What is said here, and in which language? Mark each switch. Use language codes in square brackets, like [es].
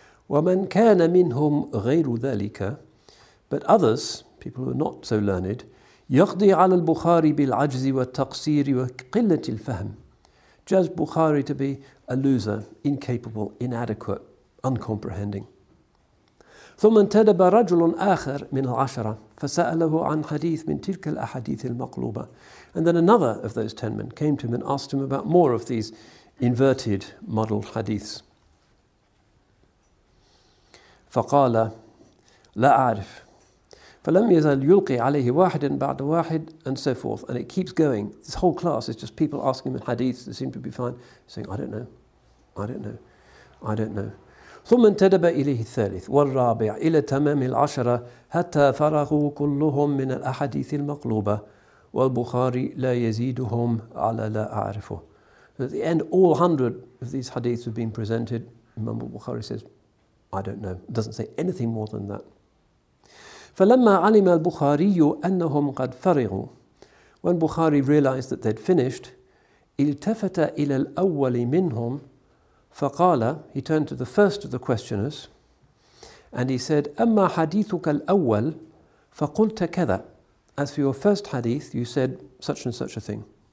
[ar] ومن كان منهم غير ذلك, [en] but others, people who are not so learned, [ar] يقضي على البخاري بالعجز والتقصير وقلة الفهم, [en] judge Bukhari to be a loser, incapable, inadequate, uncomprehending. [ar] ثم انتدب رجل آخر من العشرة فسأله عن حديث من تلك الأحاديث المقلوبة, [en] and then another of those 10 men came to him and asked him about more of these inverted, muddled hadiths. [ar] فقال لا أعرف, فلم يزل يلقي عليه واحد بعد واحد, [en] and so forth, and it keeps going. This whole class is just people asking him in hadiths that seem to be fine, saying I don't know, I don't know, I don't know. [ar] ثم انتدب إليه الثالث والرابع إلى تمام العشرة حتى فرغوا كلهم من الأحاديث المقلوبة والبخاري لا يزيدهم على لا أعرفه. [en] At the end, all 100 of these hadiths have been presented. Imam Bukhari says, I don't know. Doesn't say anything more than that. [ar] فلما علم البخاري أنهم قد فرغوا, [en] when Bukhari realized that they'd finished, [ar] التفت إلى الأول منهم فقال, [en] he turned to the first of the questioners and he said, [ar] أما حديثك الأول فقلت كذا, [en] as for your first hadith you said such and such a thing,